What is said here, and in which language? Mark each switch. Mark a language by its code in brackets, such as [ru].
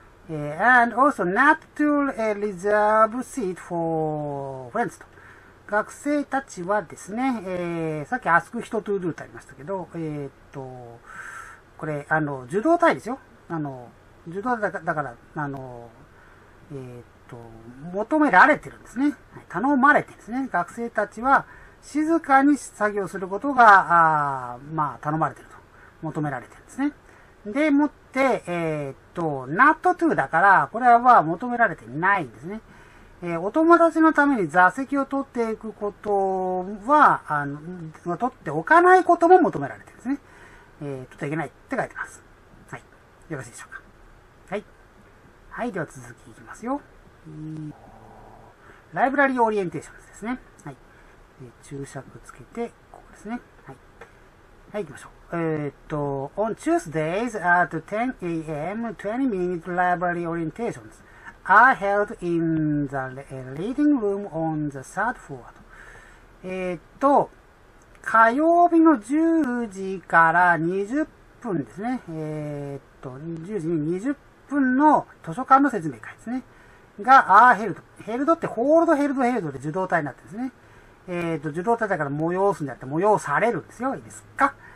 [en] And also not to reserve seat for friends. [ja] 学生たちはですね、さっき ask 人 to do ってありましたけど、これ、受動態ですよ。受動だから、求められてるんですね。頼まれてるんですね。学生たちは静かに作業することが、まあ、頼まれてると。求められてるんですね。で、もって、not to だから、これは求められてないんですね。お友達のために座席を取っていくことは、取っておかないことも求められてるんですね。取っていけないって書いてます。はい。よろしいでしょうか。はい。はい。では続きいきますよ。ライブラリーオリエンテーションですね。はい。注釈つけて、ここですね。はい。はい、行きましょう。 [en] On Tuesdays at 10 a.m., 20-minute library orientations are held in the reading room on the third floor. [ja] 火曜日の10時から20分ですね。 10時に20分の図書館の説明会ですね。が、held。held って、hold, held, held で受動態になってですね。受動態だから催すんじゃなくて、催されるんですよ。いいですか？